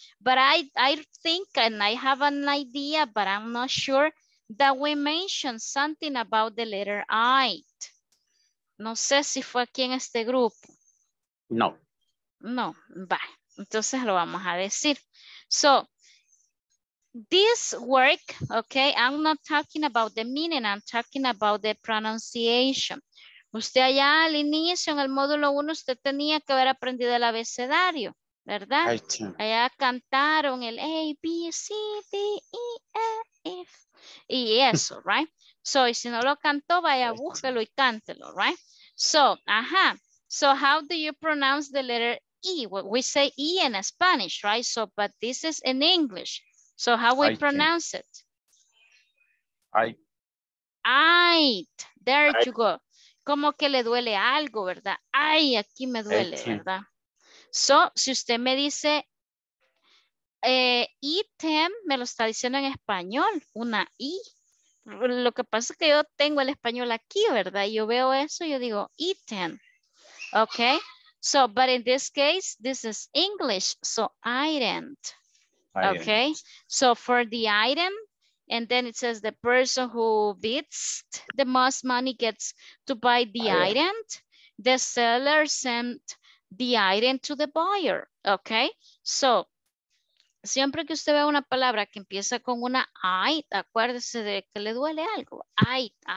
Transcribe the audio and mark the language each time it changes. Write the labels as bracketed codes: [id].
[en] But I think, and I have an idea, but I'm not sure, that we mentioned something about the letter I. [es] No sé si fue aquí en este grupo. No. No, va. Entonces lo vamos a decir. [en] So, this work, okay, I'm not talking about the meaning, I'm talking about the pronunciation. [es] Usted allá al inicio, en el módulo 1, usted tenía que haber aprendido el abecedario, ¿verdad? Allá cantaron el A, B, C, D, E, F, y eso, right? So, y si no lo cantó, vaya, búsquelo y cántelo, right? So, ajá. [en] So, how do you pronounce the letter E? Well, we say E in Spanish, right? So, but this is in English. So how we pronounce it? I. There you go. [es] Como que le duele algo, ¿verdad? Ay, aquí me duele, ¿verdad? So, si usted me dice item, me lo está diciendo en español, una I. Lo que pasa es que yo tengo el español aquí, ¿verdad? Yo veo eso, yo digo item. Okay. [en] So, but in this case, this is English, so item. Okay, so for the item, and then it says the person who bids the most money gets to buy the item. The seller sent the item to the buyer. [es] Okay, so siempre que usted ve una palabra que empieza con una I, acuérdese de que le duele algo. I.